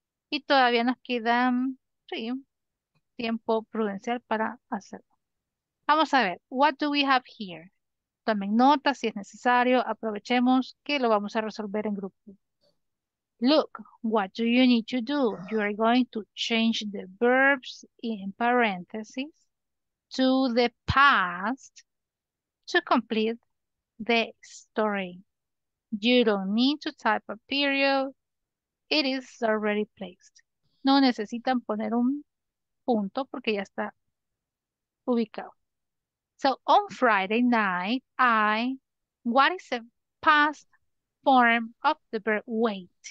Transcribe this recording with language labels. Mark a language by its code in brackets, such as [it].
[es] Y todavía nos queda, sí, tiempo prudencial para hacerlo. Vamos a ver, [en] what do we have here? [es] Tomen notas si es necesario. Aprovechemos que lo vamos a resolver en grupo. [en] Look, what do you need to do? You are going to change the verbs in parentheses to the past to complete the story. You don't need to type a period. It is already placed. [es] No necesitan poner un punto porque ya está ubicado. [en] So on Friday night, what is the past form of the verb wait?